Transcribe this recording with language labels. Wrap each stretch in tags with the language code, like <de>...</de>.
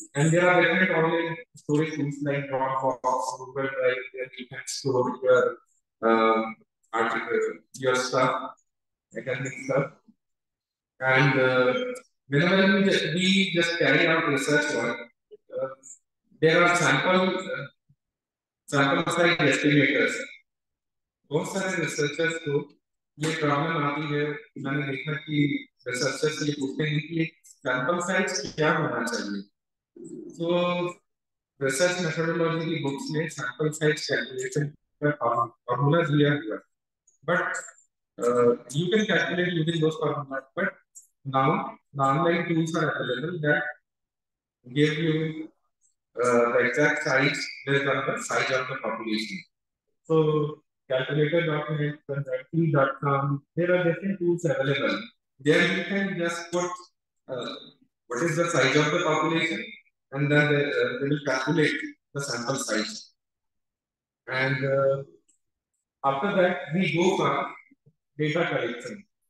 <en>And there are different online storage things like Dropbox, Google Drive, where you can store your articles, your stuff, academic stuff. And whenever we just carry out research work, there are samples like estimators.</en> <hi>बहुत सारे researchers को ये problem आती है. मैंने देखा कि researchers ये पूछते हैं कि सैंपल साइज क्या होना चाहिए. तो रिसर्च मेथोडोलॉजी की बुक्स में सैंपल साइज कैलकुलेशन का फॉर्मूला दिया हुआ,</hi> <en>But you can calculate using those formula. But now online tools are available that give you the exact size, the example size of the population. So calculator.com, there are different tools available. There you can just put what is the size of the population, and then they will calculate the sample size. And after that, we go for data collection.</en>